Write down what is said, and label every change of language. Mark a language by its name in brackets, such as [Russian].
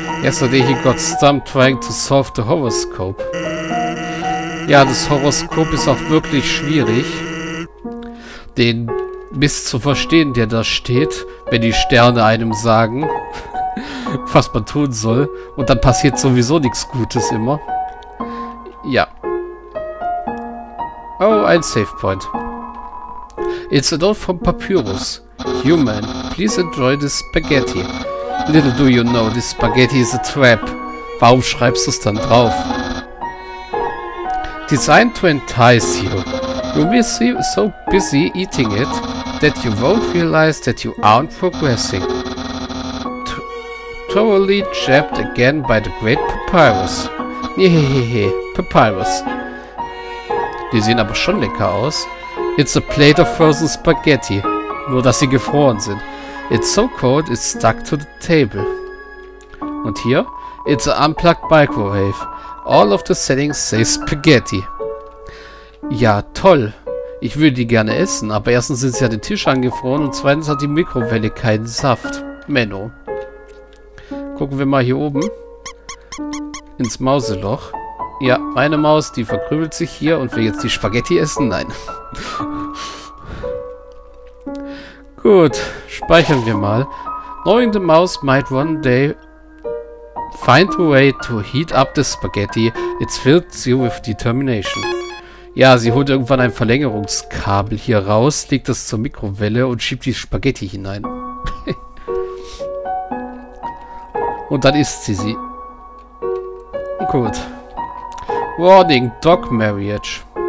[English] Yesterday he got stumped trying to solve the horoscope. [German] Ja, das Horoskop ist auch wirklich schwierig. Den Mist zu verstehen, der da steht, wenn die Sterne einem sagen, was man tun soll. Und dann passiert sowieso nichts Gutes immer. Ja. [English] Oh, ein Save Point. It's a note from Papyrus. Human, please enjoy this spaghetti. Little do you know, this spaghetti is a trap. [German] Warum schreibst du es dann drauf? [English] Designed to entice you. You'll be so busy eating it, that you won't realize that you aren't progressing. Totally jabbed again by the great Papyrus. [German] Hehehehe, Papyrus. Die sehen aber schon lecker aus. [English] It's a plate of frozen spaghetti. [German] Nur, dass sie gefroren sind. [English] It's so cold, it's stuck to the table. [German] Und hier? [English] It's an unplugged microwave. All of the settings say spaghetti. [German] Ja, toll. Ich würde die gerne essen, aber erstens sind sie an den Tisch angefroren und zweitens hat die Mikrowelle keinen Saft. Menno. Gucken wir mal hier oben. Ins Mauseloch. Ja, meine Maus, die verkrübelt sich hier und will jetzt die Spaghetti essen? Nein. Gut, speichern wir mal. [English] Knowing the mouse might one day find a way to heat up the spaghetti, it fills you with determination. [German] Ja, sie holt irgendwann ein Verlängerungskabel hier raus, legt es zur Mikrowelle und schiebt die Spaghetti hinein. Und dann isst sie sie. Gut. [English] Warning, Dog Marriage.